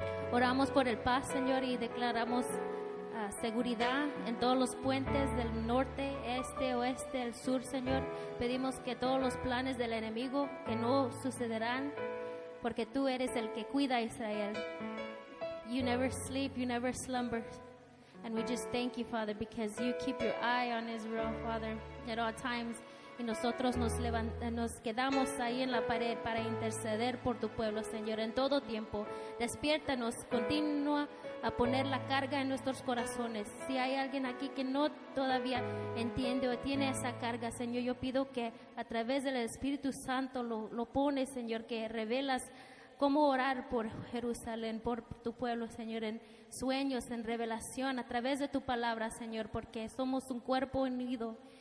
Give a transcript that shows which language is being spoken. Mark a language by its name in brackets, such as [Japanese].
[Spanish] Oramos por el paz, Señor, y declaramos seguridad en todos los puentes del norte, este, oeste, el sur, Señor. Pedimos que todos los planes del enemigo que no sucederán, porque tú eres el que cuida a Israel. [English] You never sleep, you never slumber. And we just thank you, Father, because you keep your eye on Israel, Father, at all times. [Spanish] Y nosotros nos quedamos ahí en la pared para interceder por tu pueblo, Señor, en todo tiempo. Despiértanos, continúa a poner la carga en nuestros corazones. Si hay alguien aquí que no todavía entiende o tiene esa carga, Señor, yo pido que a través del Espíritu Santo lo pones, Señor, que revelas cómo orar por Jerusalén, por tu pueblo, Señor, en sueños, en revelación, a través de tu palabra, Señor, porque somos un cuerpo unido.